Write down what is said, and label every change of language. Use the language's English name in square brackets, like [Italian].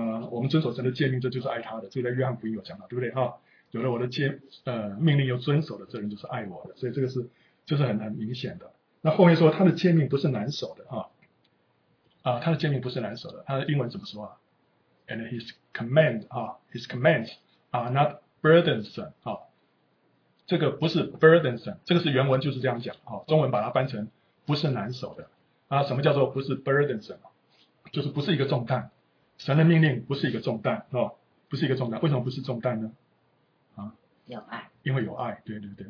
[Chinese] 我们遵守神的诫命，这就是爱他的，这个在约翰福音有讲到，对不对？有了我的命令又遵守的，这人就是爱我的，所以这个是就是很明显的。那后面说他的诫命不是难守的，他的诫命不是难守的，他的英文怎么说啊？ [English] And his command, his commands are not burdensome. [Chinese] 这个不是 burdensome, 这个是原文就是这样讲，中文把它翻成不是难守的。什么叫做不是 burdensome? 就是不是一个重担。神的命令不是一个重担，不是一个重担。为什么不是重担呢？有爱。因为有爱，对对对。